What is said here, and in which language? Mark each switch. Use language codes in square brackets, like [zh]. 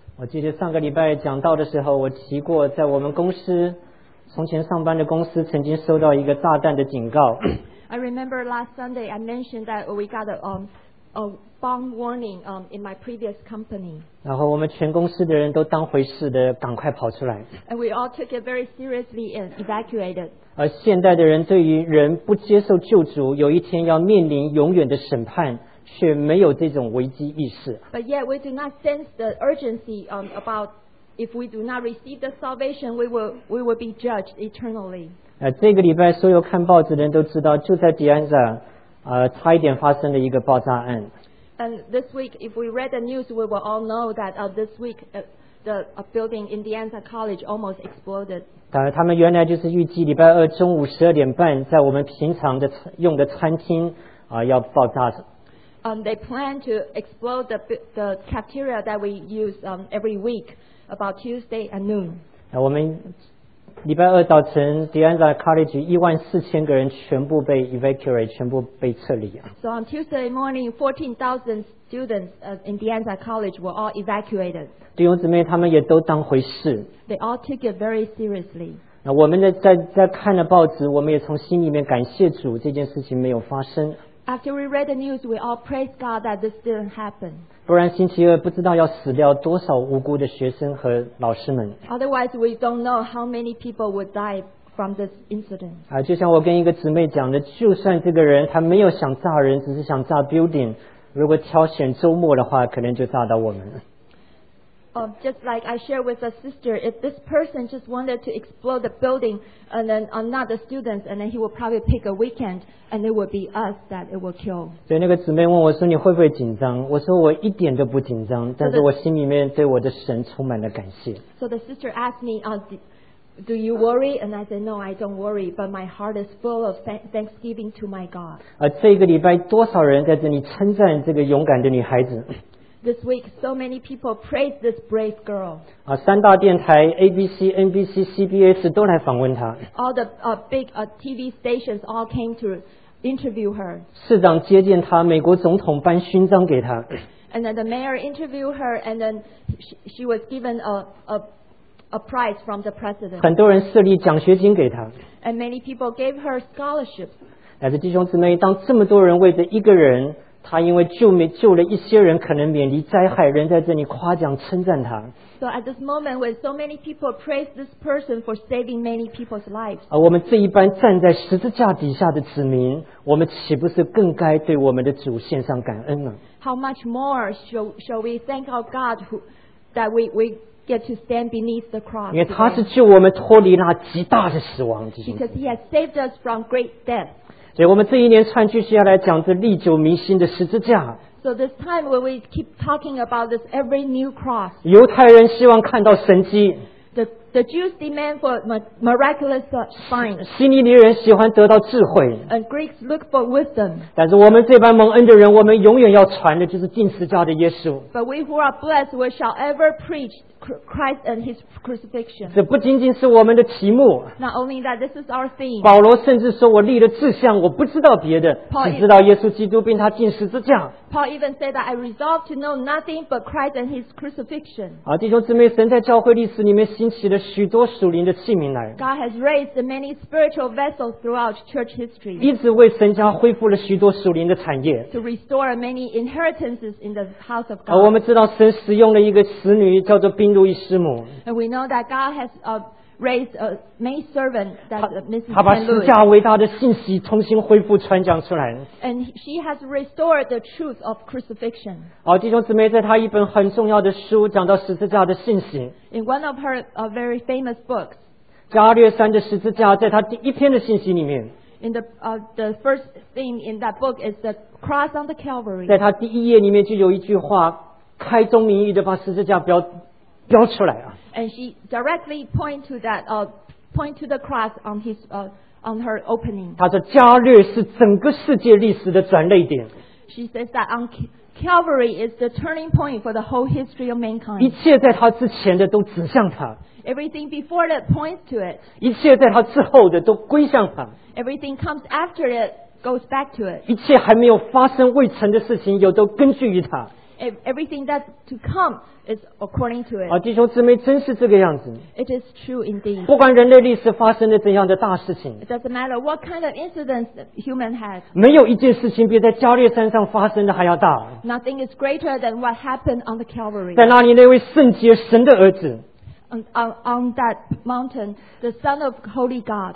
[zh] 我记得上个礼拜讲到的时候，我提过，在我们公司，从前上班的公司曾经收到一个炸弹的警告。 [en] I remember last Sunday I mentioned that we got a bomb warning in my previous company. [zh] 然后我们全公司的人都当回事的，赶快跑出来。 [en] And we all took it very seriously and evacuated. [zh] 而现代的人对于人不接受救主，有一天要面临永远的审判。却没有这种危机意识。 [en] But yet we do not sense the urgency about if we do not receive the salvation, we will be judged eternally. [zh] 这个礼拜所有看报纸的人都知道，就在迪安萨，差一点发生了一个爆炸案。 [en] And this week, if we read the news, we will all know that this week the building in Indiana College almost exploded. [zh] 当然，他们原来就是预计礼拜二中午十二点半，在我们平常的用的餐厅要爆炸。 [en] They plan to explode the cafeteria that we use every week about Tuesday at noon. [zh] 我们礼拜二早晨 Dianza College 14,000个人全部被 [en] evacuate， [zh] 全部被撤离。 [en] So on Tuesday morning, 14,000 students in Dianza College were all evacuated. [zh] 弟兄姊妹，他们也都当回事。 [en] They all took it very seriously. [zh] 我们在看了报纸，我们也从心里面感谢主，这件事情没有发生。 [en] After we read the news, we all praise God that this didn't happen. [zh] 不然星期二不知道要死掉多少无辜的学生和老师们。 [en] Otherwise, we don't know how many people would die from this incident. [zh] 就像我跟一个姊妹讲的，就算这个人他没有想炸人，只是想炸 [en] building， [zh] 如果挑选周末的话，可能就炸到我们了。 [en] Just like I shared with a sister, if this person just wanted to explode the building and then not the students, and then he would probably pick a weekend. And it will be us that it will kill. [zh] 所以那个姊妹问我说：“你会不会紧张？” 我说：“我一点都不紧张，但是我心里面对我的神充满了感谢。” [en] So the sister asked me, "Do you worry?" And I said, "No, I don't worry. But my heart is full of thanksgiving to my God." [zh] 这个礼拜多少人在这里称赞这个勇敢的女孩子 [en] ？This week, so many people praise this brave girl. [zh] 三大电台 ABC、NBC、CBS 都来访问她。 [en] All the big TV stations all came to. Interview her. [zh] 市长接见她，美国总统颁勋章给她。 [en] And then the mayor interviewed her, and then she was given a prize from the president. [zh] 很多人设立奖学金给她。 [en] And many people gave her scholarships. [zh] 但是弟兄姊妹，当这么多人为着一个人他因为救了一些人，可能免离灾害，人在这里夸奖称赞他。 [en] So at this moment, when so many people praise this person for saving many people's lives, [zh] 我们这一般站在十字架底下的子民，我们岂不是更该对我们的主献上感恩呢？ [en] How much more shall we thank our God that we get to stand beneath the cross? [zh] 因为他是救我们脱离那极大的死亡。 [en] Because he has saved us from great death. [zh] 所以我们这一连串继续要来讲这历久弥新的十字架。 [en] So this time when we keep talking about this every new cross. [zh] 犹太人希望看到神迹。 [en] The Jews demand for miraculous signs. [zh] 希尼尼人喜欢得到智慧。 [en] And Greeks look for wisdom. [zh] 但是我们这般蒙恩的人，我们永远要传的就是钉十字架的耶稣。 [en] But we who are blessed, we shall ever preach Christ and His crucifixion. [zh] 这不仅仅是我们的题目。 [en] Not only that, this is our theme. [zh] 保罗甚至说我立了志向，我不知道别的，只知道耶稣基督并他钉十字架。 [en] Paul even said that I resolved to know nothing but Christ and His crucifixion. [zh] 好，弟兄姊妹，神在教会历史里面兴起了许多属灵的器皿来。 [en] God has raised many spiritual vessels throughout church history. [zh] 一直为神家恢复了许多属灵的产业。 [en] To restore many inheritances in the house of God. [zh] 我们知道神使用了一个使女叫做宾路易师母。 [en] And we know that God has raised a maid servant that Mrs. [zh] 他把十架伟大的信息重新恢复传讲出来。 [en] And she has restored the truth of crucifixion. [zh] 好，弟兄姊妹，在她一本很重要的书讲到十字架的信息。 [en] In one of her very famous books. [zh] 加略山的十字架，在她第一篇的信息里面。 [en] In the first thing in that book is the cross on the Calvary. [zh] 在她第一页里面就有一句话，开宗明义的把十字架标出来啊。 [en] And she directly point to the cross on on her opening. [zh] 她说加略是整个世界历史的转捩点。 [en] She says that on Calvary is the turning point for the whole history of mankind. [zh] 一切在她之前的都指向她。 [en] Everything before that points to it. [zh] 一切在她之后的都归向她。 [en] Everything comes after it goes back to it. [zh] 一切还没有发生未成的事情有都根据于她。 [en] Everything that's to come is according to it. [zh] 弟兄姊妹，真是这个样子。 [en] It is true indeed. [zh] 不管人类历史发生了怎样的大事情。 [en] It doesn't matter what kind of incidents human has. [zh] 没有一件事情比在加略山上发生的还要大。 [en] Nothing is greater than what happened on the Calvary. [zh] 在那里那位圣洁神的儿子。 [en] On that mountain, the Son of Holy God.